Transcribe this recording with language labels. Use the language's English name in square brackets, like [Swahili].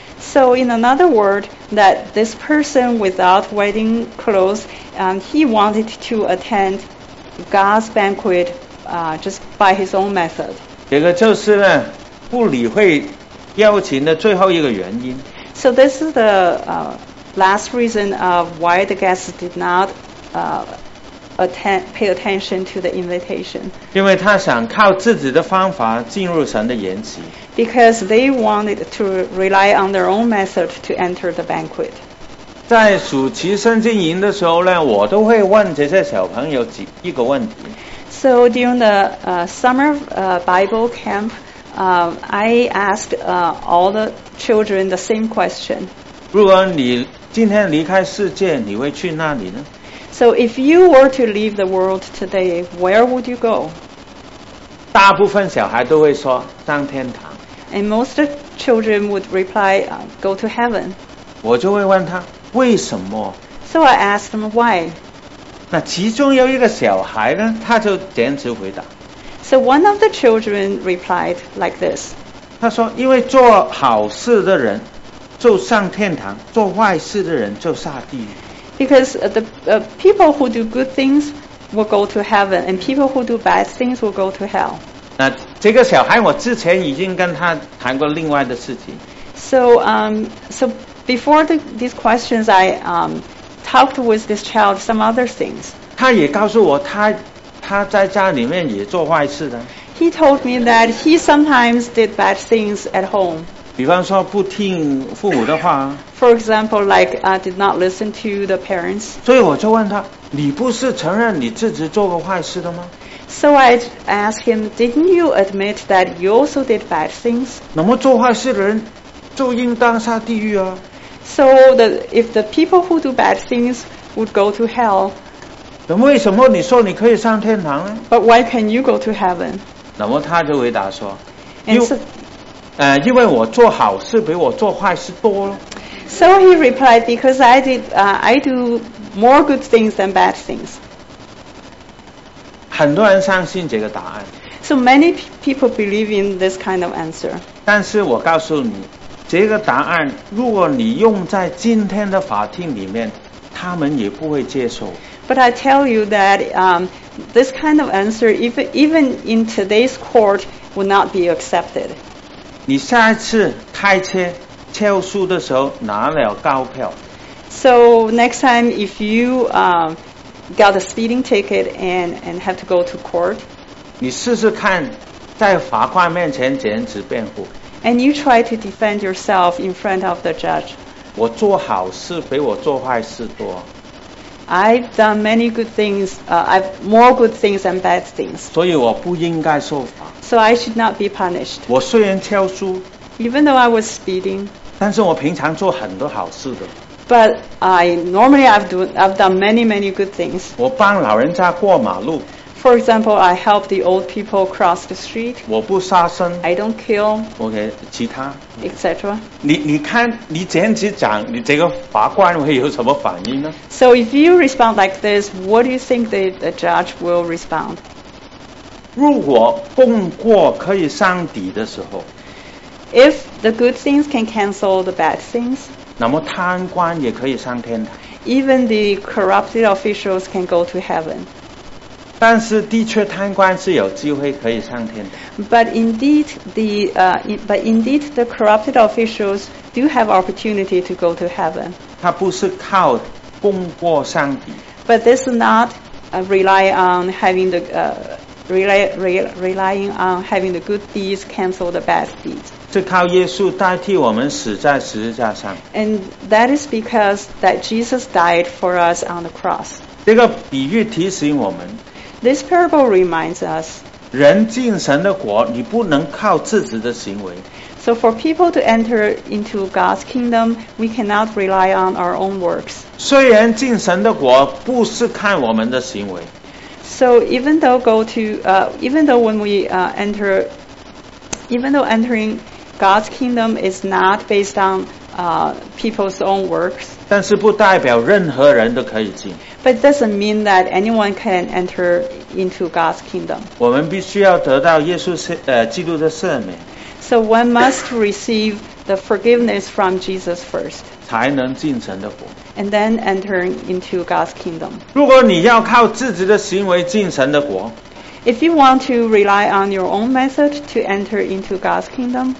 [English] So in another word, that this person without wedding clothes, he wanted to attend God's banquet, just by his own method. [Chinese] 这个就是呢，不理会邀请的最后一个原因。 [English] So this is the last reason of why the guests did not pay attention to the invitation. [Chinese] 因为他想靠自己的方法进入神的筵席。 [English] Because they wanted to rely on their own method to enter the banquet. [Chinese] 在暑期圣经营的时候呢，我都会问这些小朋友一个问题。 [English] So during the summer Bible camp,I asked all the children the same question. [Chinese] 如果你今天离开世界，你会去哪里呢？ [English] So if you were to leave the world today, where would you go? [Chinese] 大部分小孩都会说上天堂。 [English] And most children would reply, go to heaven. [Chinese] 我就会问他为什么？ [English] So I asked them why. [Chinese] 那其中有一个小孩呢，他就坚持回答。 [English] So one of the children replied like this. [Chinese] 他说，因为做好事的人就上天堂，做坏事的人就下地狱。 [English] Because the people who do good things will go to heaven, and people who do bad things will go to hell. [Chinese] 那这个小孩，我之前已经跟他谈过另外的事情。 [English] So before these questions, I talked with this child some other things. [Chinese] 他也告诉我他在家里面也做坏事的。 [English] He told me that he sometimes did bad things at home. [Chinese] 比方说不听父母的话。 [English] For example, like did not listen to the parents. [Chinese] 所以我就问他，你不是承认你自己做过坏事的吗？ [English] So I asked him, didn't you admit that you also did bad things? [Chinese] 那么做坏事的人就应当下地狱啊。 [English] So if the people who do bad things would go to hell, [Chinese] 那为什么你说你可以上天堂呢？ [English] But why can you go to heaven? [Chinese] 那么他就回答说，因为我做好事比我做坏事多了。 [English] So he replied, because I did, I do more good things than bad things. [Chinese] 很多人相信这个答案。 [English] So many people believe in this kind of answer. [Chinese] 但是我告诉你，这个答案如果你用在今天的法庭里面，他们也不会接受。 [English] But I tell you that this kind of answer, even in today's court, would not be accepted. [Chinese] 你下一次开车敲书的时候拿了高票。 [English] So next time, if you got a speeding ticket and have to go to court, [Chinese] 你试试看在法官面前坚持辩护。 [English] And you try to defend yourself in front of the judge. [Chinese] 我做好事比我做坏事多。 [English] I've done many good things, I've more good things than bad things. [Chinese] 所以我不应该受罚。 [English] So I should not be punished. [Chinese] 我虽然敲书， [English] even though I was speeding. [Chinese] 但是我平常做很多好事的。 [English] But I've done many, many good things. [Chinese] 我帮老人家过马路。 [English] For example, I help the old people cross the street. [Chinese] 我不杀生。 [English] I don't kill. [Chinese] Okay, 其他。 [English] Etc. [Chinese] 你看你这样子讲，你这个法官会有什么反应呢？ [English] So if you respond like this, what do you think the judge will respond? [Chinese] 如果功过可以相抵的时候。 [English] If the good things can cancel the bad things, [Chinese] 那么贪官也可以上天堂。 [English] Even the corrupted officials can go to heaven. [Chinese] 但是的确贪官是有机会可以上天堂。 [English] But indeed the corrupted officials do have opportunity to go to heaven. [Chinese] 他不是靠功过相抵。 [English] But this is not relying on having the good deeds cancel the bad deeds. [Chinese] 是靠耶稣代替我们死在十字架上。 [English] And that is because that Jesus died for us on the cross. [Chinese] 这个比喻提醒我们。 [English] This parable reminds us. [Chinese] 人进神的国，你不能靠自己的行为。 [English] So for people to enter into God's kingdom, we cannot rely on our own works. [Chinese] 虽然进神的国不是看我们的行为。 [English] So even though entering God's kingdom is not based on people's own works, [Chinese] 但是不代表任何人都可以进。 [English] But it doesn't mean that anyone can enter into God's kingdom. [Chinese] 我们必须要得到耶稣基督的赦免。 [English] So one must receive the forgiveness from Jesus first. [Chinese] 才能进神的国。 [English] And then enter into God's kingdom. [Chinese] 如果你要靠自己的行为进神的国。 [English] If you want to rely on your own method to enter into God's kingdom,